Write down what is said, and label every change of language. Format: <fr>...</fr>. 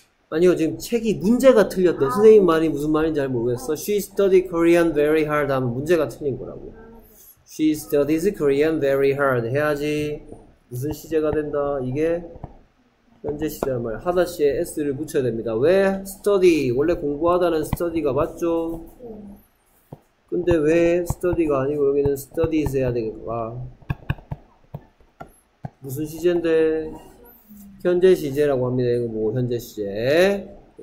<ko>아니요, 지금 책이 문제가 틀렸다. 아, 선생님 말이 무슨 말인지 잘 모르겠어. 아,</ko> <en>She studied Korean very hard</en> <ko>하면 문제가 틀린 거라고. 아, 네.</ko> <en>She studies Korean very hard</en> <ko>해야지 무슨 시제가 된다. 이게 현재 시제란 말. 하다 시에 S를 붙여야 됩니다. 왜? study. 원래 공부하다는 study가 맞죠? 근데 왜 study가 아니고 여기는 studies 해야 되겠구나. 무슨 시제인데? 현재 시제라고 합니다. 이거 뭐 현재 시제. 예.</ko>